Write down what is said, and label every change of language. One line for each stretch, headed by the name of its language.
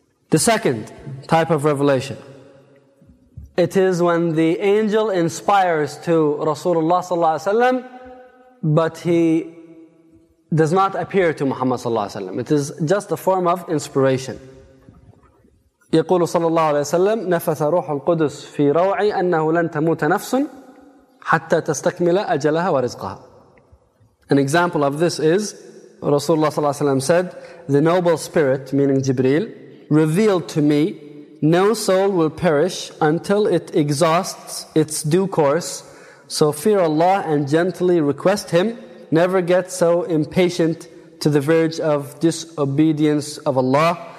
English: The second type of revelation, it is when the angel inspires to Rasulullah sallallahu alayhi wa sallam, but he does not appear to Muhammad sallallahu alayhi wa sallam. It is just a form of inspiration.
Arabic: يقول صلى الله عليه وسلم نفث روح القدس في روعي أنه لن تموت نفس حتى تستكمل أجلها ورزقها.
English: An example of this is Rasulullah
Arabic: صلى الله عليه وسلم
English: said, the noble spirit, meaning Jibreel, revealed to me, no soul will perish until it exhausts its due course. So fear Allah and gently request Him. Never get so impatient to the verge of disobedience of Allah.